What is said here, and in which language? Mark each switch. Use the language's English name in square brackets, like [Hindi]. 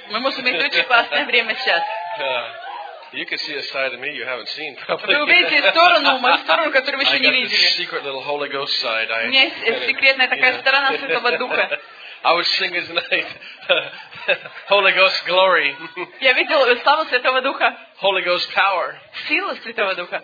[Russian] Мы можем иметь очень классное время сейчас. [English] You can see a side of me you haven't seen. [Russian] Вы увидите сторону, мою сторону, которую вы еще не видели. [English] Secret little Holy Ghost side. [Russian] У меня есть секретная такая сторона Святого Духа. [English] I was singing tonight. Holy Ghost glory. [Russian] Я видел славу Святого Духа. [English] Holy Ghost power. [Russian] Силу Святого Духа.